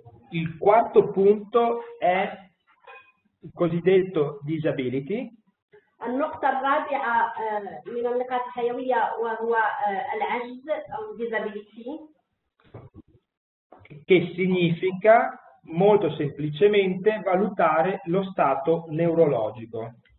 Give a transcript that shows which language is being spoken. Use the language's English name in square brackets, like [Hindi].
[Italian] Il quarto punto è il cosiddetto disability. [Arabic] النقطة الرابعة من النقاط الحيوية وهو العجز أو disability. [Italian] Che significa molto semplicemente valutare lo stato neurologico.